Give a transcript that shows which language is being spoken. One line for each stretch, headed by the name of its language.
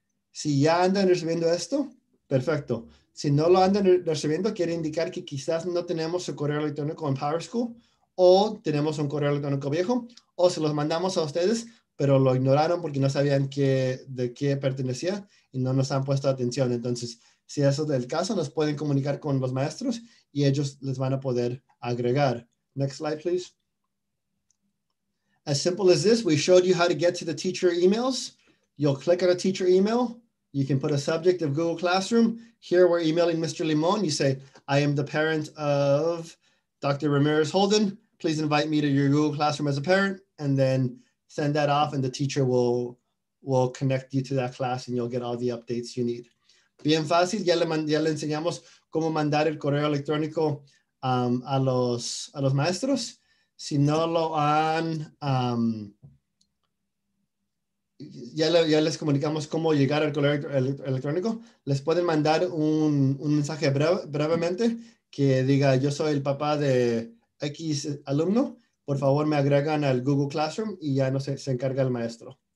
Spanish: Si ya andan recibiendo esto, perfecto. Si no lo andan recibiendo, quiere indicar que quizás no tenemos su correo electrónico en PowerSchool, o tenemos un correo electrónico viejo, o se los mandamos a ustedes, pero lo ignoraron porque no sabían de qué pertenecía y no nos han puesto atención. Entonces, si eso es el caso, nos pueden comunicar con los maestros y ellos les van a poder agregar.
English: Next slide, please. As simple as this, we showed you how to get to the teacher emails. You'll click on a teacher email. You can put a subject of Google Classroom. Here we're emailing Mr. Limon. You say, I am the parent of Dr. Ramirez Holden. Please invite me to your Google Classroom as a parent, and then send that off and the teacher will connect you to that class and you'll get all the updates you need.
Spanish: Bien fácil, ya le enseñamos cómo mandar el correo electrónico a los maestros. Si no lo han, ya les comunicamos cómo llegar al correo electrónico, les pueden mandar un mensaje brevemente que diga, yo soy el papá de X alumno, por favor me agregan al Google Classroom y ya no se encarga el maestro.